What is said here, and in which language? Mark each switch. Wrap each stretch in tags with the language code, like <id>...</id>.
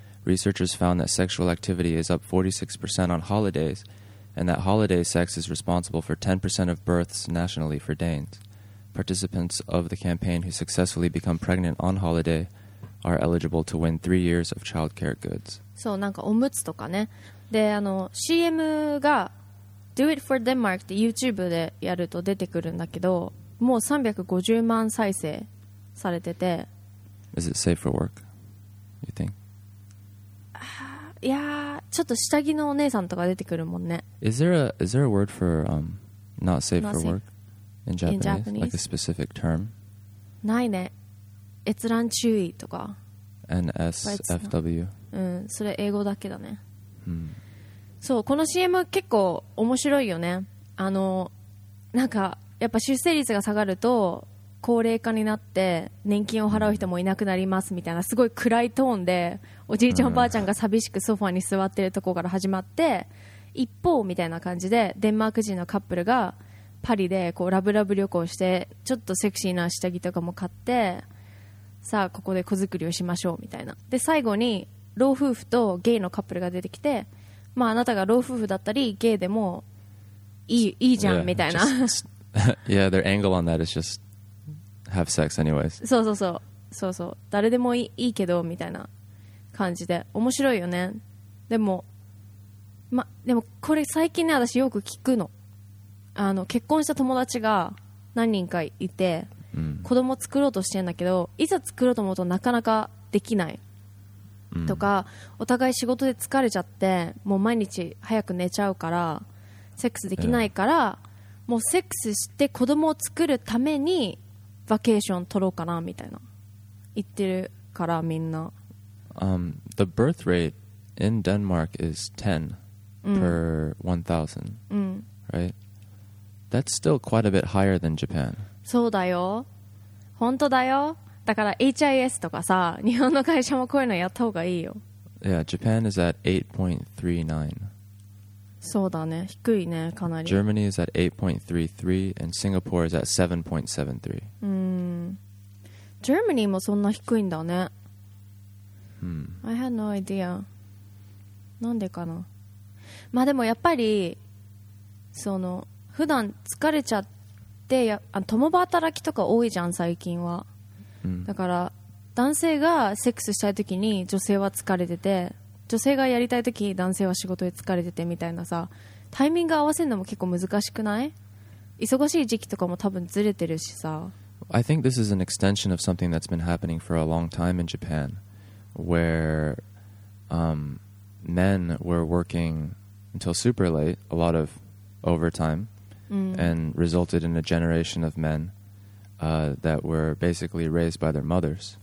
<en>Researchers found that sexual activity is up 46% on holidays, and that holiday sex is responsible for 10% of births nationally for Danes. Participants of the campaign who successfully become pregnant on holiday are eligible to win 3 years of childcare goods.</en> <ja>そう、なんかおむつとかね。で、CM が Do It For Denmark って YouTube でやると出てくるんだけど、もう350万再生されてて。</ja> <en>Is it safe for work? You think?</en> <ja>いやー、ちょっと下着のお姉さんとか出てくるもんね。</ja> <en>Is there a word for not safe for work in Japanese? Like a specific term?</en> <ja>ないね。閲覧注意とか</ja> <en>NSFW。</en> <ja>うん、それ英語だけだね。そう、この CM 結構面白いよね。なんかやっぱ出生率が下がると高齢化になって年金を払う人もいなくなりますみたいな、すごい暗いトーンで、おじいちゃんおばあちゃんが寂しくソファに座ってるところから始まって、一方みたいな感じでデンマーク人のカップルがパリでこうラブラブ旅行して、ちょっとセクシーな下着とかも買って、さあここで子作りをしましょうみたいな。で最後に老夫婦とゲイのカップルが出てきて、まあ、あなたが老夫婦だったりゲイでもいいじゃん、</ja> <en>yeah.</en> <ja>みたいな。</ja> <en>Yeah, their angle on that is just have sex anyways.</en> <ja>そうそうそう。そうそう。誰でもいいけどみたいな感じで。面白いよね。でも、ま、でもこれ最近ね、私よく聞くの。結婚した友達が何人かいて、子供作ろうとしてんだけど、いざ作ろうと思うとなかなかできない。とか、お互い仕事で疲れちゃってもう毎日早く寝ちゃうからセックスできないから、もうセックスして子供を作るためにバケーション取ろうかなみたいな言ってるから、みんな。</ja> <en>The birth rate in Denmark is 10 per 1000、right? That's still quite a bit higher than Japan.</en> <ja>そうだよ、本当だよ。だから HIS とかさ、日本の会社もこういうのやった方がいいよ。</ja> <en>Yeah, Japan is at 8.39.</en> <ja>そうだね、低いね、かなり。</ja> <en>Germany is at 8.33 and Singapore is at 7.73.</en> <ja>Germany もそんな低いんだね。</ja> <en>I had no idea. なんでかな。</en> <ja>まあでもやっぱりその普段疲れちゃって共働きとか多いじゃん最近は。だから男性がセックスしたいときに女性は疲れてて、女性がやりたいとき男性は仕事で疲れててみたいなさ、タイミング合わせるのも結構難しくない？忙しい時期とかも多分ずれてるしさ。</ja> <en>I think this is an extension of something that's been happening for a long time in Japan, where men were working until super late, a lot of overtime, and resulted in a generation of menthat were basically raised by their mothers.</en>